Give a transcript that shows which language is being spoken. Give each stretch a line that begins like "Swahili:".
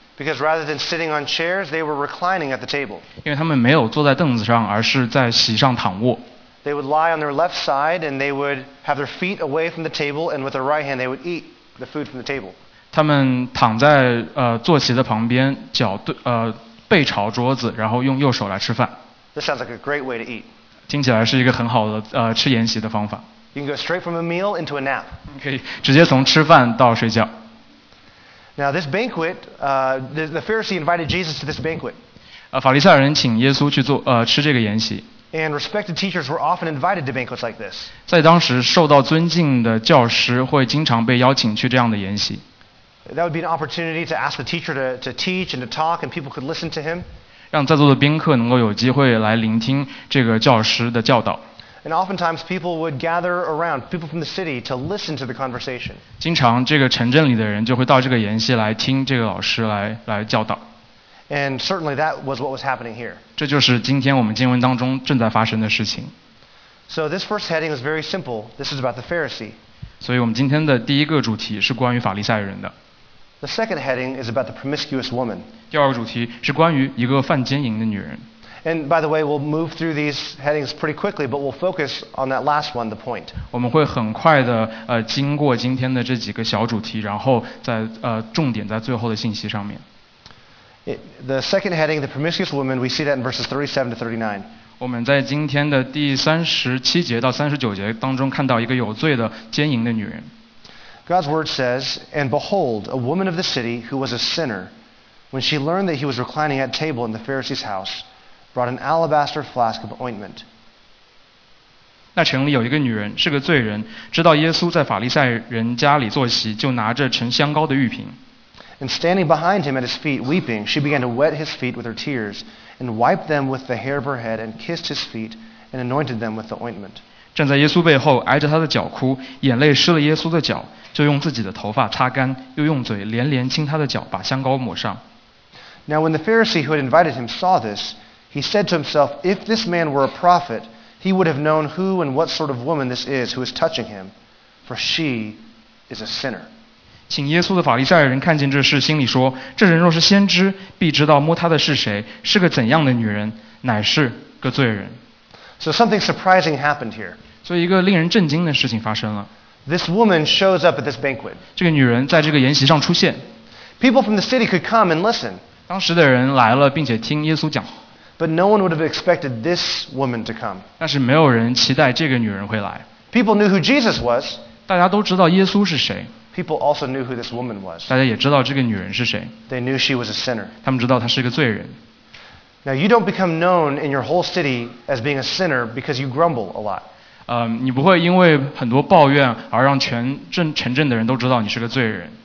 English: Because rather than sitting on chairs, they were reclining at the table.
Chinese: 因为他们没有坐在凳子上，而是在席上躺卧。
English: They would lie on their left side, and they would have their feet away from the table, and with their right hand, they would eat the food from the table.
Chinese: 他们躺在坐席的旁边，脚对背朝桌子，然后用右手来吃饭。
English: This sounds like a great way to eat.
Chinese: 听起来是一个很好的吃筵席的方法。
English: You can go straight from a meal into a nap.
Chinese: 可以直接从吃饭到睡觉。
English: Now this banquet, the Pharisee invited Jesus to this banquet.
Chinese: 法利赛人请耶稣去做吃这个筵席。
English: And respected teachers were often invited to banquets like this.
Chinese: 在当时，受到尊敬的教师会经常被邀请去这样的筵席。
English: That would be an opportunity to ask the teacher to teach and to talk, and people could listen to him.
Chinese: 让在座的宾客能够有机会来聆听这个教师的教导。
English: And oftentimes people would gather around, people from the city, to listen to the conversation.
Chinese: 经常这个城镇里的人就会到这个筵席来听这个老师来教导。
English: And certainly that was what was happening here.
Chinese: 这就是今天我们经文当中正在发生的事情。
English: So this first heading is very simple. This is about the Pharisee.
Chinese: 所以我们今天的第一个主题是关于法利赛人的。
English: The second heading is about the promiscuous woman.
Chinese: 第二个主题是关于一个犯奸淫的女人。
English: And by the way, we'll move through these headings pretty quickly, but we'll focus on that last one, the point.
Chinese: 我们会很快的经过今天的这几个小主题，然后在重点在最后的信息上面。
English: The second heading, the promiscuous woman, we see that in verses 37 to 39.
Chinese: 我们在今天的第37节到39节当中看到一个有罪的奸淫的女人。
English: God's word says, and behold, a woman of the city who was a sinner, when she learned that he was reclining at table in the Pharisee's house, brought an alabaster flask of ointment.
Chinese: 那城里有一个女人，是个罪人，知道耶稣在法利赛人家里坐席，就拿着沉香膏的玉瓶。
English: And standing behind him at his feet, weeping, she began to wet his feet with her tears, and wiped them with the hair of her head, and kissed his feet, and anointed them with the ointment.
Chinese: 站在耶稣背后，挨着他的脚哭，眼泪湿了耶稣的脚。就用自己的头发擦干，又用嘴连连亲他的脚，把香膏抹上。
English: Now when the Pharisee who had invited him saw this, he said to himself, "If this man were a prophet, he would have known who and what sort of woman this is who is touching him, for she is a sinner."
Chinese: 请耶稣的法利赛人看见这事，心里说：“这人若是先知，必知道摸他的是谁，是个怎样的女人，乃是个罪人。”
English: So something surprising happened here.
Chinese: 所以一个令人震惊的事情发生了。
English: This woman shows up at this banquet.
Chinese: 这个女人在这个筵席上出现。
English: People from the city could come and listen.
Chinese: 当时的人来了，并且听耶稣讲。
English: But no one would have expected this woman to come.
Chinese: 但是没有人期待这个女人会来。
English: People knew who Jesus was.
Chinese: 大家都知道耶稣是谁。
English: People also knew who this woman was.
Chinese: 大家也知道这个女人是谁。
English: They knew she was a sinner.
Chinese: 他们知道她是个罪人。
English: Now you don't become known in your whole city as being a sinner because you grumble a lot.
Chinese: 你不会因为很多抱怨而让全镇城镇的人都知道你是个罪人。